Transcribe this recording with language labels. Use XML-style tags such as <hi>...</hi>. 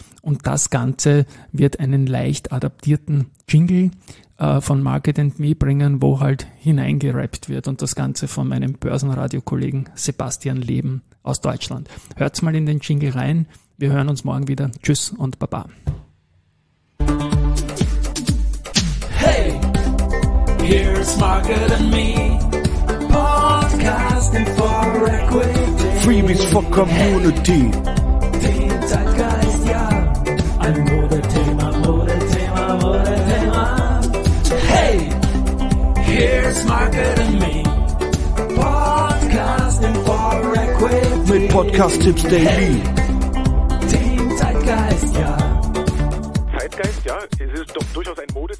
<en>Und das Ganze wird einen leicht adaptierten Jingle von Market and Me bringen, wo halt hineingerappt wird. Und das Ganze von meinem Börsenradio-Kollegen Sebastian Leben aus Deutschland. Hört's mal in den Jingle rein. Wir hören uns morgen wieder. Tschüss und Baba. Hey, here's Market and Me, podcasting for equity. Freebies for community. Hey,</en> <de>den Zeitgeist, ja. Ein Modethema, Modethema, Modethema.</de> <en>Hey, here's Market and Me, podcasting for equity.</en> <de>Mit Podcast Tipps daily. Hey, den Zeitgeist, ja. Zeitgeist, ja, es ist doch durchaus ein</de>